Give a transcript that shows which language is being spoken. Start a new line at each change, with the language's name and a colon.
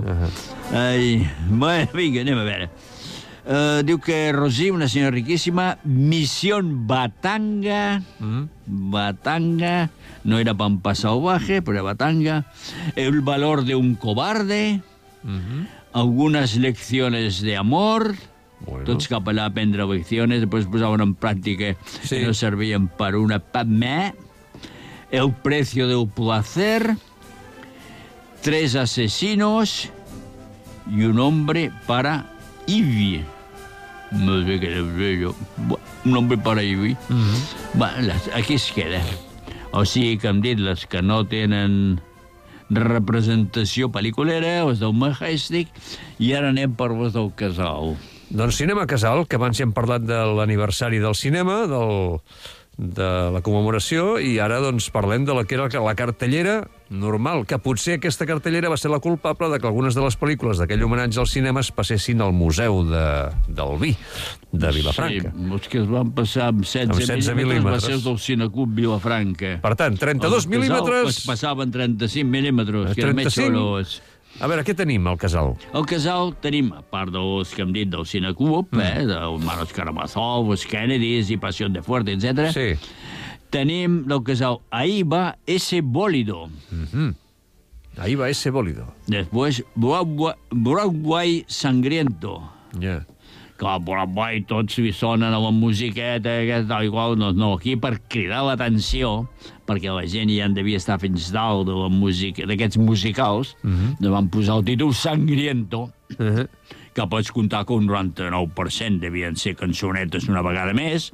Catalan: Uh-huh. Ai, bueno, vinga, anem a veure. Diu que Rosie, una senyora riquíssima, Misión Batanga, Batanga, no era Pampa Salvaje, però era Batanga, El valor de un cobarde,
Spanish: algunes lecciones de amor. Bueno.
Catalan: Tots cap allà a aprendre lecciones, després posaven en pràctica sí. i no servien per una pamè.
Spanish: El precio del placer, tres asesinos y un hombre para Ivy. No sé qué le sé yo. Un hombre para Ivy. Uh-huh.
Catalan: Bueno, aquí es queda. O sigui que han dit les que no tenen representació pel·liculera, les del Majestic, i ara anem per les del Casal. Doncs Cinema Casal, que abans ja hem parlat de l'aniversari del cinema, del... de la commemoració, i ara doncs parlem de la que era la cartellera normal, que potser aquesta cartellera va ser la culpable de que algunes de les pel·lícules d'aquell homenatge al cinema es passessin al Museu de, del Vi, de Vilafranca. Sí, els que es van passar amb 16 mil·límetres va ser del Cineclub Vilafranca. Per tant, 32 mil·límetres... Es passaven 35 mil·límetres, que era més xolós. A veure, què tenim al Casal? Al Casal tenim, a part dels que hem dit del Cineclub, del Manos Karamazov, els Kennedys i Passión de Fuerte, etc. Sí. Tenim del Casal Ahí va ese bólido.
Spanish: Uh-huh. Ahí va ese bólido. Después, Broadway sangriento. Ja. Yeah.
Catalan: Que a Broadway tots li sonen a la musiqueta, tal i qual, no, no, aquí per cridar l'atenció, perquè la gent ja en devia estar fins dalt de la música, d'aquests musicals, uh-huh. van posar el títol Sangriento, uh-huh. que pots comptar que un 99% devien ser cançonetes una vegada més.